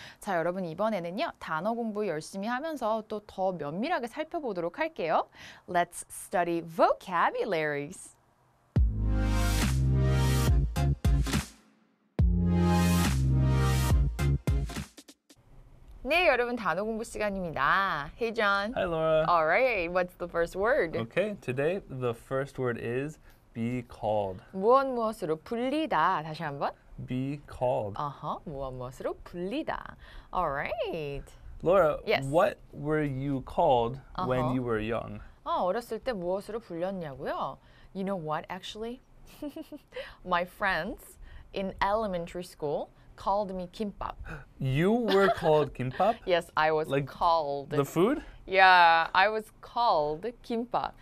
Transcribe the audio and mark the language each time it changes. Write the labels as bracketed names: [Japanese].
[Korean] 자, 여러분 이번에는요. 단어 공부 열심히 하면서 또더 면밀하게 살펴보도록 할게요. [English] Let's study vocabularies. [Korean] Hey, 여러분, 단어 공부 시간입니다. [English] Hey, John. Hi, Laura. All right, what's the first word? Okay, today the first word is be called. [Korean] 무엇 무엇으로 불리다. 다시 한번. [English] Be called. [Korean] 무엇 무엇으로 불리다. [English] All right. Laura, yes. What were you called when you were young? [Korean] 어렸을 때 무엇으로 불렸냐고요? [English] You know what, actually? My friends in elementary school called me kimbap. You were called kimbap? Yes, I was like called. The food? Yeah, I was called kimbap.